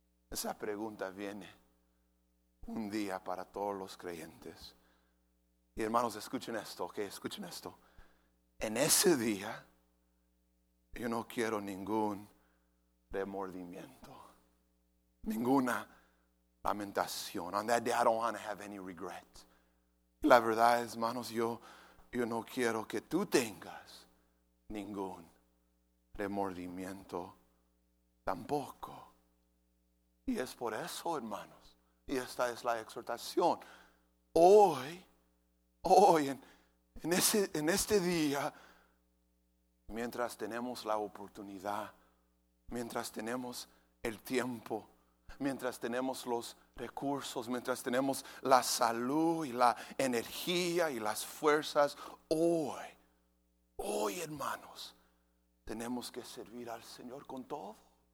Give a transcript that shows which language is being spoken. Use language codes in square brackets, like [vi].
[es] Esa pregunta viene un día para todos los creyentes. Y hermanos, escuchen esto, ¿okay? Escuchen esto. En ese día, yo no quiero ningún remordimiento, ninguna lamentación. [en] On that day, I don't want to have any regret. [es] La verdad es, hermanos, yo no quiero que tú tengas ningún remordimiento tampoco. Y es por eso, hermanos, y esta es la exhortación. Hoy, en este día, mientras tenemos la oportunidad, mientras tenemos el tiempo, mientras tenemos los recursos, mientras tenemos la salud y la energía y las fuerzas, hoy, hermanos, tenemos que servir al Señor con todo.